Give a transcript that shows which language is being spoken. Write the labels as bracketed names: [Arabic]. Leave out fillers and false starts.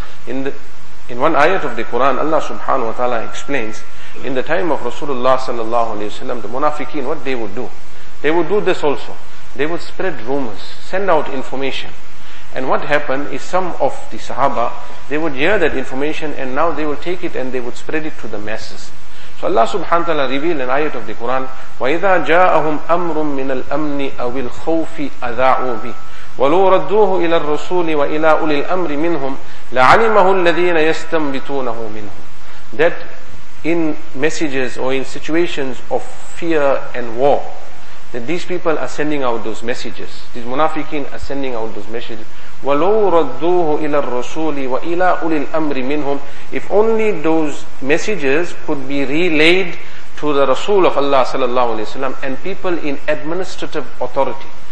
[English] In one ayat of the Quran, Allah subhanahu wa ta'ala explains, in the time of Rasulullah sallallahu alayhi wa sallam, the munafiqeen, what they would do? They would do this also. They would spread rumors, send out information. And what happened is, some of the Sahaba, they would hear that information and now they will take it and they would spread it to the masses. [Arabic] So Allah subhanahu wa ta'ala revealed an ayat of the Quran, وَإِذَا جَاءَهُمْ أَمْرٌ مِّنَ الْأَمْنِ أَوِ الْخَوْفِ أَذَاعُوا بِهِ وَلَوْ رَدُّوهُ إِلَى الرَّسُولِ وَإِلَىٰ أُولِي الْأَمْرِ مِنْهُمْ لَعَلِمَهُ الَّذِينَ يَسْتَنْبِتُونَهُ مِنْهُمْ. [English] That in messages or in situations of fear and war, that these people are sending out those messages. These munafiqeen are sending out those messages. [Arabic] وَلَوْ رَدُّوهُ إِلَى الرَّسُولِ وَإِلَىٰ أُولِي الْأَمْرِ مِنْهُمْ. [English] If only those messages could be relayed to the Rasul of Allah sallallahu alayhi wa sallam and people in administrative authority.